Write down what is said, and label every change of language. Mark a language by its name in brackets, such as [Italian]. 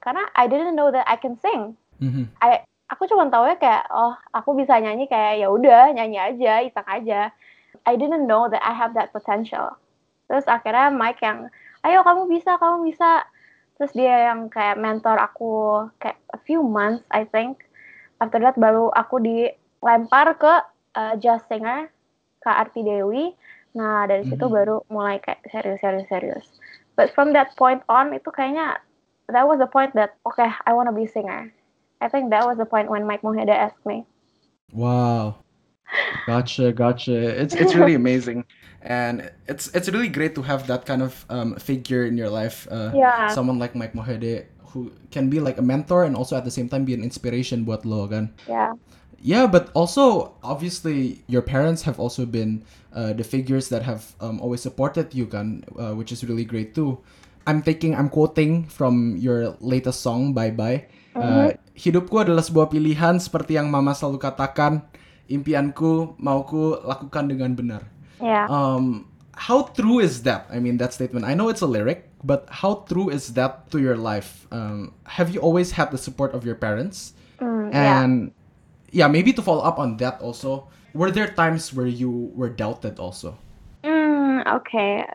[Indonesian] Karena [English] I didn't know that I can sing. [Indonesian] Aku cuman tau ya kayak, oh, aku bisa nyanyi kayak, ya udah nyanyi aja, iseng aja. [English] I didn't know that I have that potential. [Indonesian] Terus akhirnya Mike yang, ayo kamu bisa. Terus dia yang kayak mentor aku kayak [English] a few months, I think. After that [Indonesian] baru aku di lempar ke jazz singer, ke Arti Dewi. Nah, dari situ baru mulai kayak serius. [English] But from that point on, [Indonesian] itu kayaknya, [English] that was the point that, okay, I want to be singer. I think that was the point when Mike Mohede asked me. Wow. Gotcha. It's really amazing. And it's really great to have that kind of figure in your life. Someone like Mike Mohede, who can be like a mentor and also at the same time be an inspiration [Indonesian] buat lo, kan? [English] Yeah, but also, obviously, your parents have also been the figures that have always supported you, kan? Which is really great, too. I'm quoting from your latest song, Bye Bye. [Indonesian] Hidupku adalah sebuah pilihan seperti yang mama selalu katakan. Impianku, mauku, lakukan dengan benar. [English] Yeah. How true is that? I mean, that statement. I know it's a lyric, but how true is that to your life? Have you always had the support of your parents? And maybe to follow up on that also, were there times where you were doubted also? Okay.